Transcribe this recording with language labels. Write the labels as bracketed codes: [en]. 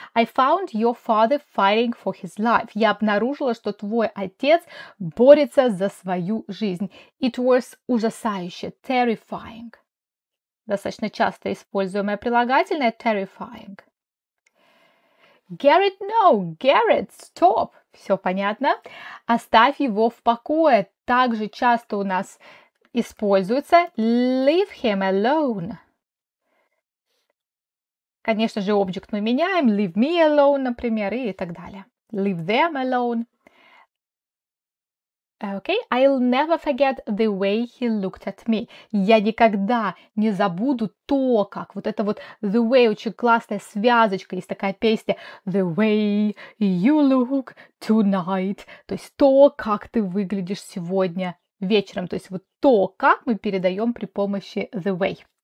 [en] I found your father fighting for his life. [ru] Я обнаружила, что твой отец борется за свою жизнь. [en] It was ужасающе, terrifying. [ru] Достаточно часто используемое прилагательное terrifying. [en] Garrett, no, Garrett, stop. [ru] Все понятно. Оставь его в покое. Также часто у нас используется [en] leave him alone. [ru] Конечно же, object мы меняем. [en] Leave me alone, [ru] например, и так далее. [en] Leave them alone. Okay, I'll never forget the way he looked at me. [ru] Я никогда не забуду то, как вот это вот the way, очень классная связочка, есть такая песня [en] the way you look tonight, [ru] то есть то, как ты выглядишь сегодня вечером, то есть вот то, как мы передаем при помощи the way.